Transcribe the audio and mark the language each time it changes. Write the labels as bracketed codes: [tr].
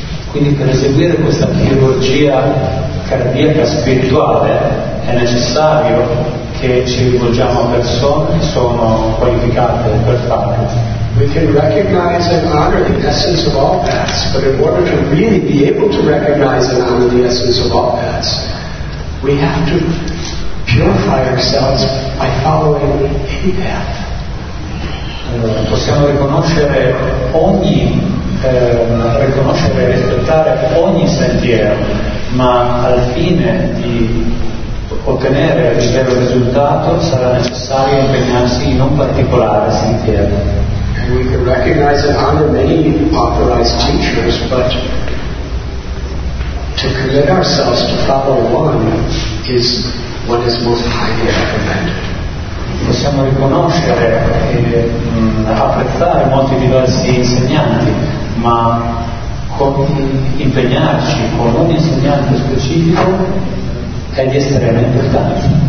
[it] Quindi per eseguire questa chirurgia cardiaca spirituale è necessario che ci rivolgiamo a persone che sono qualificate per farlo. [en] We can recognize and honor the essence of all paths, but in order to really be able to recognize and honor the essence of all paths, we have to purify ourselves by following any path. [it] Possiamo riconoscere ogni riconoscere e rispettare ogni sentiero, ma al fine di ottenere il vero risultato sarà necessario impegnarsi in un particolare sentiero. [en] We can recognize and honor many authorized teachers, but to commit ourselves to follow one is what is most highly recommended. [it] Possiamo riconoscere e apprezzare molti diversi insegnanti, ma impegnarci con ogni insegnante specifico è di estrema importanza.